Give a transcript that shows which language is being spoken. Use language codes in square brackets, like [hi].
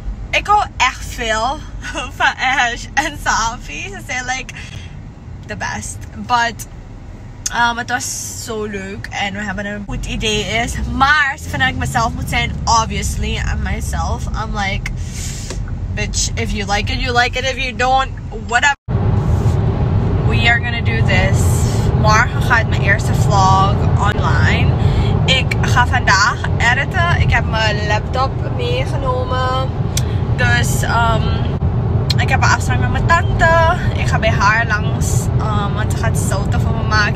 [nl] Ik hou echt veel van Ash en Safi. Ze zijn [en] like the best. [nl] But het was zo leuk. En we hebben een goed idee is. Maar ze vinden dat ik mezelf moet zijn. [en] Obviously, I'm myself. I'm like, bitch, if you like it, you like it. If you don't, whatever. We are gonna do this. [nl] Morgen gaat mijn eerste vlog online. Ik ga vandaag editen. Ik heb mijn laptop meegenomen. Dus ik heb een afspraak met mijn tante. Ik ga bij haar langs, want ze gaat zouten voor me maken.